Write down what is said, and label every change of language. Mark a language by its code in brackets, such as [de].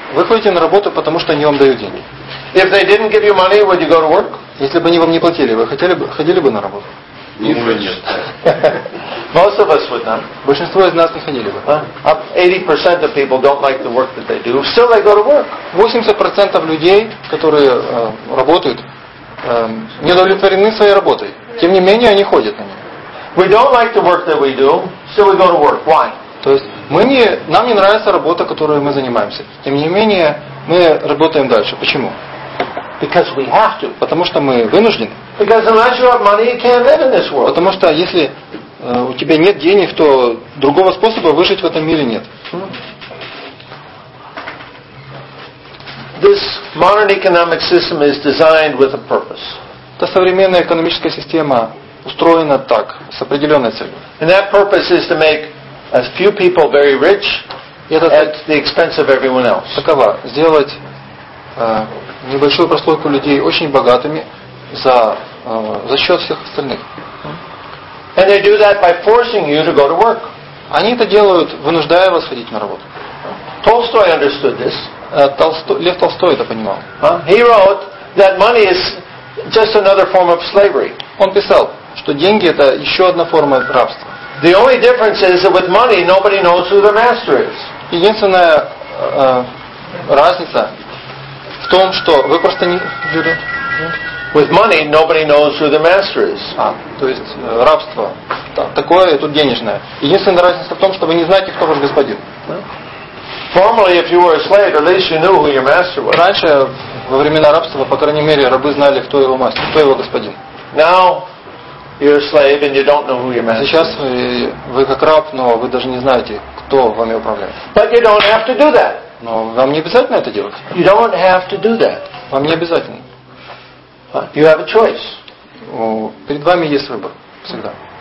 [ru] Вы ходите на работу, потому что они вам дают деньги. [en] If they didn't give you money, would you go to work? [ru] Если бы они вам не платили, вы хотели бы, ходили бы на работу? Думаю, нет. [en] Most of us would not. [ru] Большинство из нас не ходили бы. [en] 80% of people don't like the work that they do. Still they go to work. [ru] 80% людей, которые работают, не удовлетворены своей работой. Тем не менее, они ходят на нее. [en] We don't like the work that we do, so we go to work. Why? [ru] То есть нам не нравится работа, которую мы занимаемся. Тем не менее, мы работаем дальше. Почему? [en] Because we have to. [ru] Потому что мы вынуждены. [en] Because unless you have money, you can't live in this world. [ru] Потому что если у тебя нет денег, то другого способа выжить в этом мире нет. [en] This modern economic system is designed with a purpose. [ru] Та современная экономическая система устроена так, с определенной целью. [en] And that purpose is to make a few people very rich at the expense of everyone else. [ru] Такова. Сделать небольшую прослойку людей очень богатыми за счет всех остальных. [en] And they do that by forcing you to go to work. [ru] Они это делают, вынуждая вас ходить на работу. [en] Толстой understood this. [ru] Лев Толстой это понимал. [en] He wrote that money is just another form of slavery. [ru] Он писал, что деньги это еще одна форма рабства. [en] The only difference is that with money nobody knows who their master is. [ru] Единственная разница в том, что вы просто не Юрий. [en] With money nobody knows who the master is. [ru] То есть рабство такое и тут денежное. Единственная разница в том, что вы не знаете, кто ваш господин. [en] Formerly, if you were a slave, at least you knew who your master was. [ru] Раньше во времена рабства, по крайней мере, рабы знали, кто его мастер, кто его господин. [en] Now you're a slave and you don't know who your master is. [ru] Сейчас вы как раб, но вы даже не знаете, кто вами управляет. [en] But you don't have to do that. [ru] Но вам не обязательно это делать. [en] You don't have to do that. [ru] Вам не обязательно. [en] You have a choice. [ru] Перед вами есть выбор всегда.